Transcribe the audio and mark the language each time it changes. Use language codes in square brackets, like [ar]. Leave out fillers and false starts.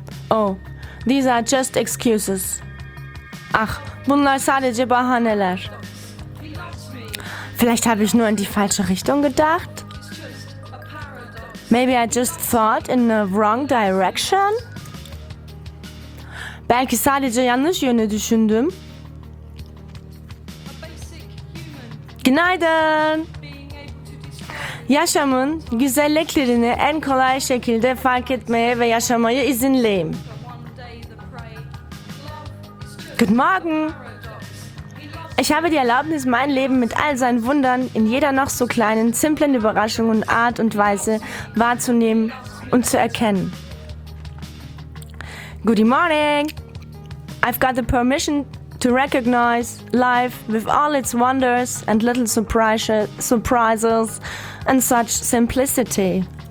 [en] Oh, these are just excuses. [tr] Ach, bunlar sadece bahaneler. [de] Vielleicht habe ich nur in die falsche Richtung gedacht. [en] Maybe I just thought in the wrong direction. [tr] Belki sadece yanlış yöne düşündüm. Günaydın! Yaşamın güzelliklerini en kolay şekilde fark etmeye ve yaşamayı izinleyim. [en] Good morning. [de] Ich habe die Erlaubnis, mein Leben mit all seinen Wundern in jeder noch so kleinen, simplen Überraschung und Art und Weise wahrzunehmen und zu erkennen. [en] Good morning! I've got the permission to recognize life with all its wonders and little surprises and such simplicity.